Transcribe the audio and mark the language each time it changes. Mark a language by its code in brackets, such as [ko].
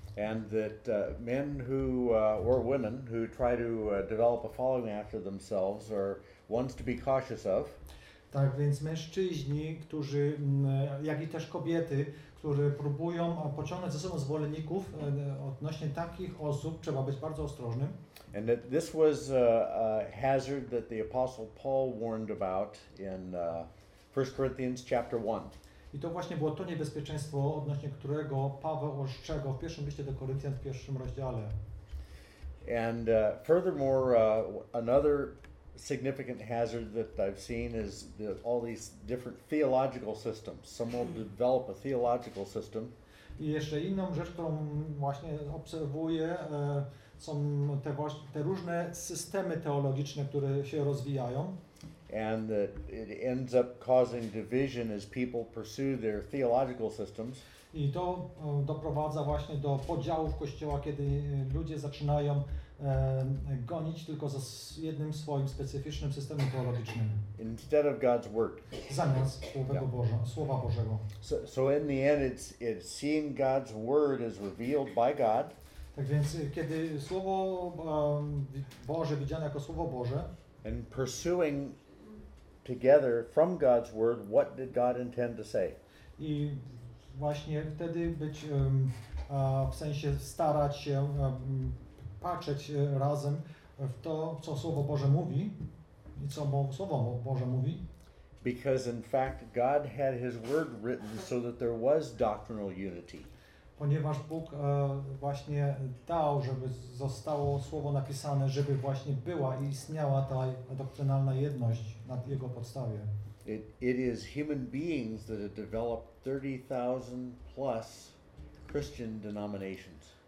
[en] And that men who or women who try to develop a following after themselves are ones to be cautious of. [pl] Tak więc mężczyźni, którzy jak i też kobiety, którzy próbują pociągnąć za sobą zwolenników, odnośnie takich osób trzeba być bardzo ostrożnym. [en] And that this was a hazard that the Apostle Paul warned about in 1 Corinthians chapter 1. [pl] I to właśnie było to niebezpieczeństwo, odnośnie którego Paweł ostrzegał w pierwszym liście do Koryntian w pierwszym rozdziale. [en] And furthermore, another significant hazard that I've seen is that all these different theological systems. Some will develop a theological system. [pl] I jeszcze inną rzecz, którą właśnie obserwuję, są te, te różne systemy teologiczne, które się rozwijają. [en] And that it ends up causing division as people pursue their theological systems. [pl] I to doprowadza właśnie do podziałów kościoła, kiedy ludzie zaczynają gonić tylko za jednym swoim specyficznym systemem teologicznym. [en] Instead of God's word. [pl] Zamiast słowa Bożego. [en] So in the end, it's seeing God's word as revealed by God. [pl] Tak więc kiedy słowo Boże widziane jako słowo Boże. [en] And pursuing together from God's word, what did God intend to say? [pl] I właśnie wtedy być w sensie starać się patrzeć razem w to, co Słowo Boże mówi i co Słowo Boże mówi. [en] Because in fact God had His word written so that there was doctrinal unity. [pl] Ponieważ Bóg właśnie dał, żeby zostało słowo napisane, żeby właśnie była i istniała ta doktrynalna jedność na jego podstawie. [en] It is human beings that have developed 30,000 plus Christian denominations.